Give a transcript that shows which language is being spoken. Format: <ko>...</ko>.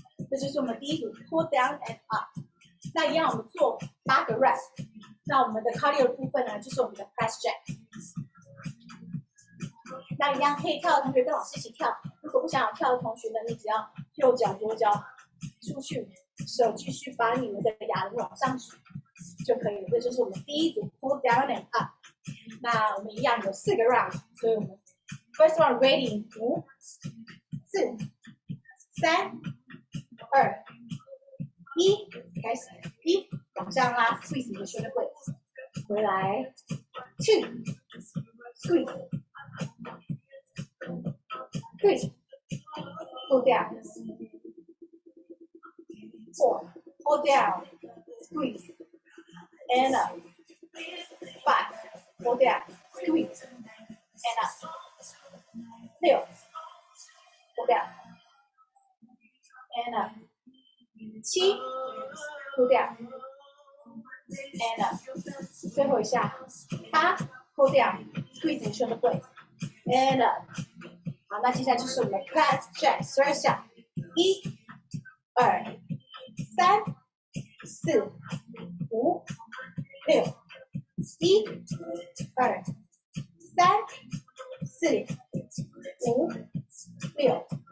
<zh>这就是我们第一组</zh> <en>pull down and up。</en> <zh>那一样我们做八个 rep， 那我们的 cardio 部分呢就是我们的 press jack。那一样可以跳的同学跟老师一起跳，如果不想要跳的同学呢，你只要右脚左脚出去，手继续把你们的哑铃往上举就可以了。这就是我们第一组</zh> <en>pull down and up。</en> <zh>那我们一样有四个 round， 所以我们</zh> <en>first one ready，</en> <zh>五四三二一，开始，一往上拉 ，squeeze 你的 shoulder blades， 回来 ，two， squeeze，</zh> <en>three， pull down， four， pull down， squeeze， and up， five， pull down， squeeze， and up， 六， pull down， and up。七 pull down and up，</en> <zh>最后一下八</zh> <en>pull down squeeze and shoulder blades and up。</en> <zh>好，那接下来就是我们的 press jack， 十二下，一二三四五六，一二三四五六。</zh>